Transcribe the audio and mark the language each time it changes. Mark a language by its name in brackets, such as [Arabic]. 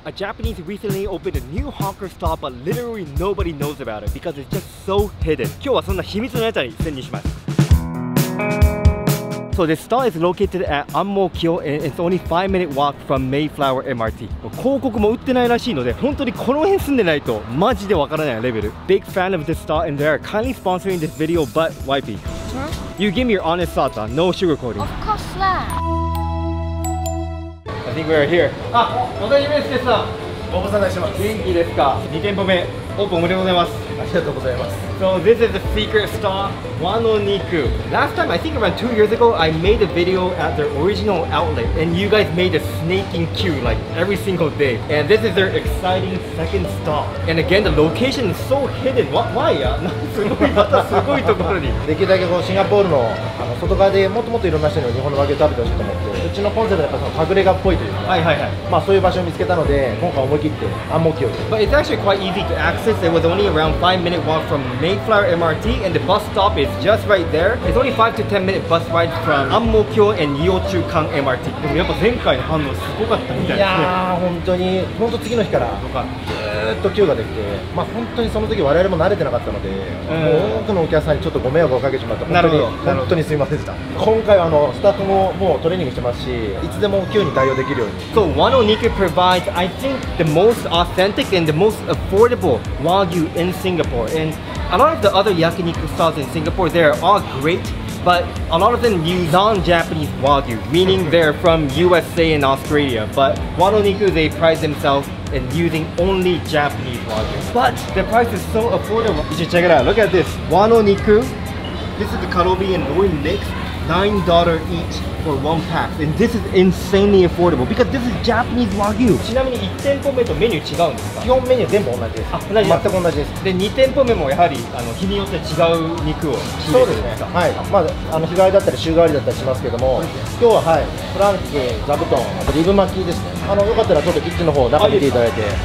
[English] A Japanese recently opened a new hawker stall, but literally nobody knows about it because it's just so hidden. [Japanese] 今日はそんな秘密のやつに潜入します。 [English] So this stall is located at Ang Mo Kio and it's only 5-minute walk from Mayflower MRT. [Japanese] 広告も売ってないらしいので、本当にこの辺住んでないとマジでわからないレベル。 [English] Big fan of this stall and they are kindly sponsoring this video, but YP. You give me your honest thoughts, no sugarcoating. Of course not. I think we are here. [Japanese] あ、小谷明介さん。ご無沙汰します。元気ですか ?2 店舗目、オープンおめでとうございます。ありがとうございます。 [English] So this is the secret stall, Wano Niku. Last time, I think around 2 years ago, I made a video at their original outlet, and you guys made a snaking queue like every single day. And this is their exciting second stall. And again, the location is so hidden. Why? [Japanese] すごい、またすごいところに。できるだけこうシンガポールの外側でもっともっといろんな人にも日本の和牛食べてほしいと思って、うちのコンセプトはやっぱその隠れ家っぽいというか、はいはいはい。まあそういう場所を見つけたので、今回思い切ってアンモキオ。 [English] But it's actually quite easy to access. It was only around 5-minute walk from Mayflower MRT and the bus stop is just right there. It's only 5 to 10 minute bus ride from Ang Mo Kio and Yio-Chu-Kang MRT. [Japanese] でもやっぱ前回の反応すごかったみたいですね。いやー本当に本当次の日からずっとキューができて、まあ本当にその時我々も慣れてなかったので、多くのお客さんにちょっとご迷惑をかけちまった。なるほど。本当にすみませんでした。今回はスタッフももうトレーニングしてますし、いつでもキューに対応できるように。 [English] So Wano Niku provides, I think, the most authentic and the most affordable Wagyu in Singapore and A lot of the other yakiniku stalls in Singapore, they are all great, but a lot of them use non-Japanese Wagyu, meaning they're from USA and Australia. But Wano Niku, they pride themselves in using only Japanese Wagyu. But the price is so affordable. You should check it out. Look at this. Wano Niku. This is the karobi and loin mix, $9 each. For one pack, and this is insanely affordable because this is Japanese Wagyu. [Japanese] ちなみに1店舗目とメニュー違うんですか？基本メニュー全部同じです。あ、同じです。全く同じです。で、2店舗目もやはり日によって違う肉を仕入れてるんですか？はい。まあ日替わりだったり週替わりだったりしますけども、今日ははい、フランク、座布団、あとリブ巻きですね。よかったらちょっとキッチンの方中見ていただいて。